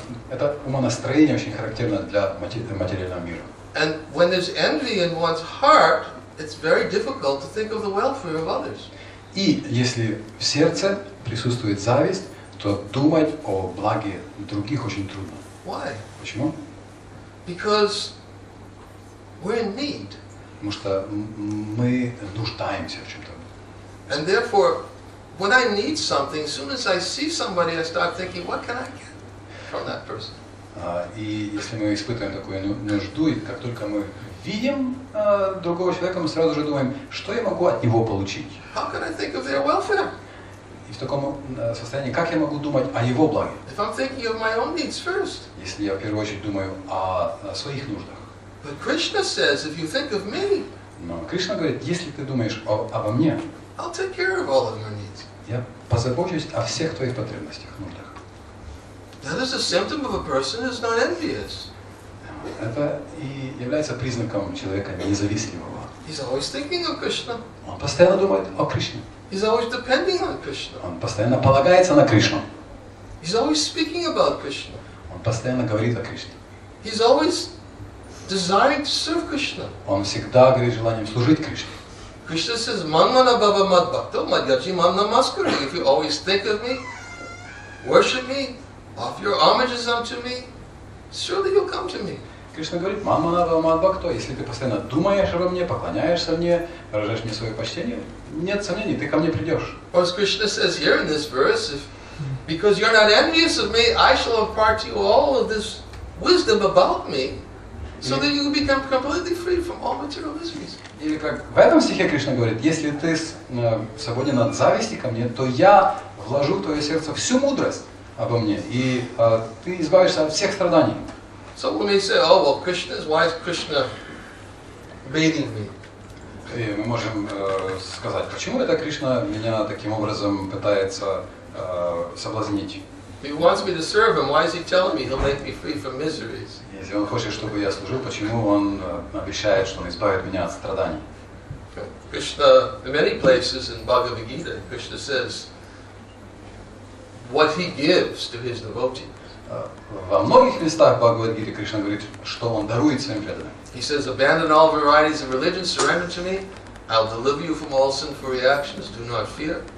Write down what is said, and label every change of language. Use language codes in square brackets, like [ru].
[ru] Это умонастроение очень характерно для материального мира. [en] And when there's envy in one's heart, it's very difficult to think of the welfare of others. [ru] И если в сердце присутствует зависть, то думать о благе других очень трудно. [en] Why? [ru] Почему? [en] Because we're in need. [ru] Потому что мы нуждаемся в чем-то. [en] And therefore, when I need something, as soon as I see somebody, I start thinking, what can I get from that person? [ru] И если мы испытываем такую нужду, и как только мы видим другого человека, мы сразу же думаем, что я могу от него получить? [en] How can I think of their welfare? [ru] И в таком состоянии, как я могу думать о его благе? [en] If I'm thinking of my own needs first. [ru] Если я в первую очередь думаю о своих нуждах. [en] But Krishna says, if you think of me, [ru] но Кришна говорит, если ты думаешь обо мне, [en] I'll take care of all of your needs. [ru] Я позабочусь о всех твоих потребностях, нуждах. [en] That is a symptom of a person who's not envious. [ru] Это и является признаком человека независимого. [en] He's always thinking of Krishna. [ru] Он постоянно думает о Кришне. [en] He's always depending on Krishna. [ru] Он постоянно полагается на Кришну. [en] He's always speaking about Krishna. [ru] Он постоянно говорит о Кришне. [en] He's always designed to serve Krishna. [ru] Он всегда горит желанием служить Кришне. [en] Krishna says, [sa] "Manmana Baba Madbhakto Madgachi Mamnamaskari." [en] If you always think of me, worship me, offer your homages unto me, surely you'll come to me. [ru] Кришна говорит, [sa] "Manmana Baba Madbhakto." [ru] Если ты постоянно думаешь обо мне, поклоняешься мне, выражаешь мне свое почтение, нет сомнений, ты ко мне придешь. [en] Or as Krishna says here in this verse, if, because you're not envious of me, I shall impart to you all of this wisdom about me. So that you become completely free from all material miseries. [ru] Или как в этом стихе Кришна говорит, если ты свободен от зависти ко мне, то я вложу в твое сердце всю мудрость обо мне, и ты избавишься от всех страданий. [en] So we may say, oh well, Krishna is why is Krishna bathing me? [ru] И мы можем сказать, почему это Кришна меня таким образом пытается соблазнить? [en] He wants me to serve him. Why is he telling me he'll make me free from miseries? [ru] Если он хочет, чтобы я служил, почему он обещает, что он избавит меня от страданий? [en] Krishna, in many places in Bhagavad Gita, Krishna says, what he gives to his devotees. [ru] Во многих местах Бхагавад Гиты Кришна говорит, что он дарует своим преданным. [en] He says, abandon all varieties of religion, surrender to me, I'll deliver you from all sinful reactions, do not fear.